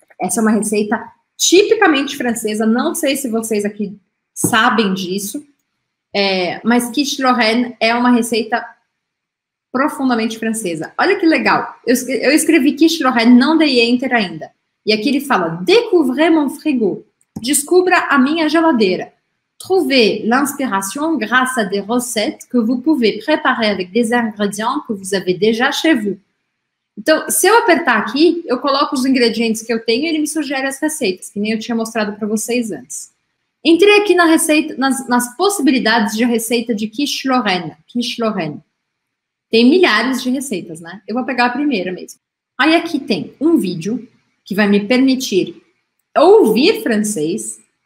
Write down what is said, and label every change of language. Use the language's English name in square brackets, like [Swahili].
[Portuguese] Essa é uma receita tipicamente francesa. Não sei se vocês aqui sabem disso. Mas quiche Lorraine é uma receita profundamente francesa. Olha que legal. Eu escrevi quiche Lorraine, não dei enter ainda. E aqui ele fala, [French] découvrez mon frigo, [Portuguese] descubra a minha geladeira. [French] Trouvez l'inspiration grâce à des recettes que vous pouvez préparer avec des ingrédients que vous avez déjà chez vous. [Portuguese] Então, se eu apertar aqui, eu coloco os ingredientes que eu tenho e ele me sugere as receitas, que nem eu tinha mostrado para vocês antes. Entrei aqui na receita, nas possibilidades de receita de quiche Lorraine. Quiche Lorraine. Tem milhares de receitas, né? Eu vou pegar a primeira mesmo. Aí aqui tem um vídeo que vai me permitir ouvir francês.